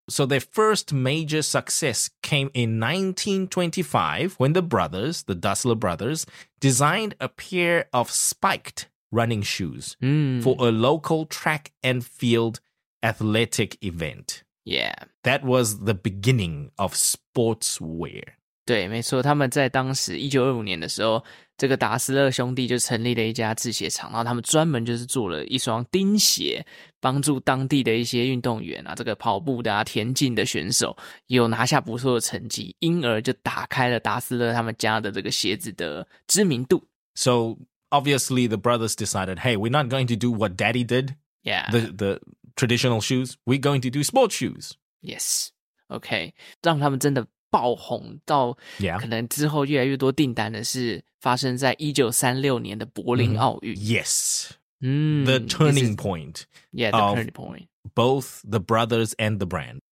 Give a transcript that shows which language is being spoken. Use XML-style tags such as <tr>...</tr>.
<en>So their first major success came in 1925 when the brothers, the Dassler brothers, designed a pair of spiked running shoes for a local track and field athletic event. Yeah. That was the beginning of sportswear.</en> <zh>对，没错，他们在当时1925年的时候，这个达斯勒兄弟就成立了一家制鞋厂，然后他们专门就是做了一双钉鞋，帮助当地的一些运动员啊，这个跑步的啊，田径的选手有拿下不错的成绩，因而就打开了达斯勒他们家的这个鞋子的知名度。</zh> <en>So obviously the brothers decided, hey, we're not going to do what daddy did, the traditional shoes. We're going to do sports shoes. Yes, okay,</en> <zh>让他们真的爆红到可能之后越来越多订单的是发生在1936年的柏林奥运。</zh> <en>Yes. The turning point. Yeah, the turning point. Both the brothers and the brand.</en>